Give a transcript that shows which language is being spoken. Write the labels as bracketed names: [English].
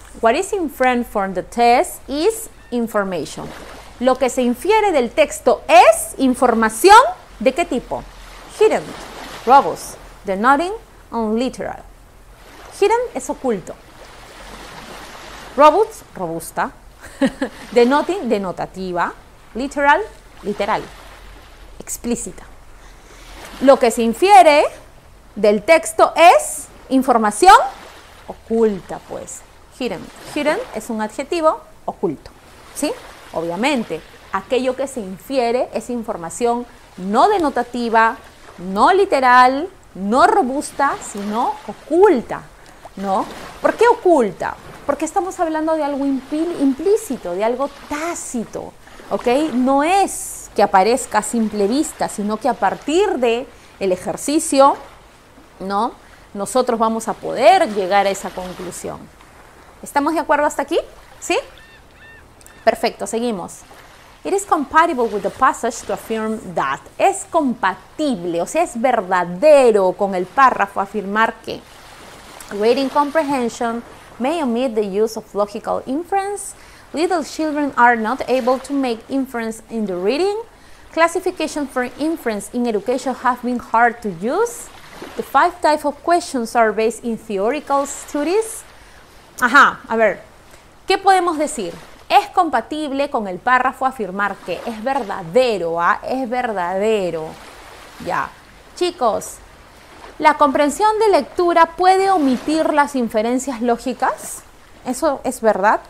[English] What is inferred from the test is information. [Spanish] Lo que se infiere del texto es información. ¿De qué tipo? Hidden, robust, denoting, unliteral. Hidden es oculto. Robust, robusta. Denoting, denotativa. Literal, literal. Explícita. Lo que se infiere del texto es información oculta, pues. Hidden. Hidden es un adjetivo oculto. ¿Sí? Obviamente, aquello que se infiere es información no denotativa, no literal, no robusta, sino oculta, ¿no? ¿Por qué oculta? Porque estamos hablando de algo implícito, de algo tácito, ¿ok? No es que aparezca a simple vista, sino que a partir de el ejercicio, ¿no? Nosotros vamos a poder llegar a esa conclusión. ¿Estamos de acuerdo hasta aquí? ¿Sí? Perfecto, seguimos. [English] It is compatible with the passage to affirm that. [Spanish] Es compatible, o sea, es verdadero con el párrafo afirmar que [English] reading comprehension may omit the use of logical inference. Little children are not able to make inference in the reading. Classification for inference in education have been hard to use. The five types of questions are based in theoretical studies. [Spanish] Ajá, a ver, ¿qué podemos decir? Es compatible con el párrafo afirmar que es verdadero, ¿ah? Es verdadero. Ya. Chicos, ¿la comprensión de lectura puede omitir las inferencias lógicas? ¿Eso es verdad?